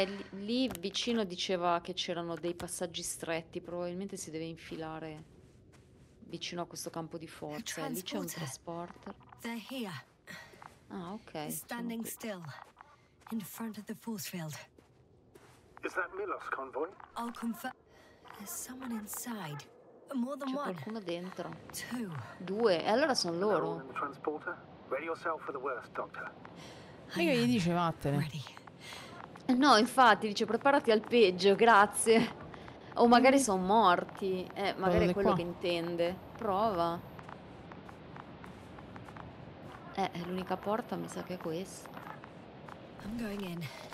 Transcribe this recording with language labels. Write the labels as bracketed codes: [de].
[it] Lì vicino diceva che c'erano dei passaggi stretti. Probabilmente si deve infilare vicino a questo campo di forza. Lì c'è un trasporter. [en] They're here. Ah, ok. Standing still in front of the force field. Is that Milos convoy? I'll confirm. There's someone inside. More than [it] one. C'è qualcuno dentro. [en] Two. [it] Due. E allora sono loro. [en] The transporter. Ready yourself for the worst, Doctor. [it] E che gli dice vattene? No, infatti, dice preparati al peggio, grazie. O magari sono morti. Magari è quello qua che intende. Prova. È l'unica porta, mi sa che è questa. [en] I'm going in.